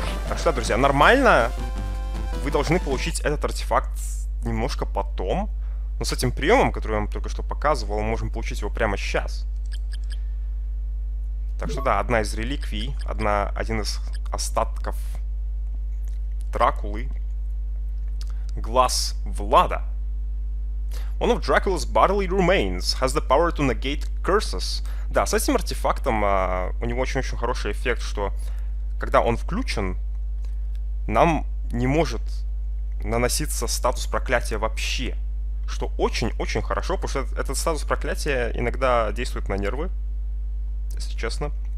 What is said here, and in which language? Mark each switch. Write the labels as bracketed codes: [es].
[ru] Так что, друзья, нормально. Вы должны получить этот артефакт немножко потом. Но с этим приемом, который я вам только что показывал, мы можем получить его прямо сейчас. Так что да, одна из реликвий, один из остатков Дракулы. Глаз Влада. [en] One of Dracula's bodily remains has the power to negate curses. [ru] Да, с этим артефактом у него очень-очень хороший эффект, что когда он включен, нам не может наноситься статус проклятия вообще. Что очень-очень хорошо, потому что этот статус проклятия иногда действует на нервы, если честно.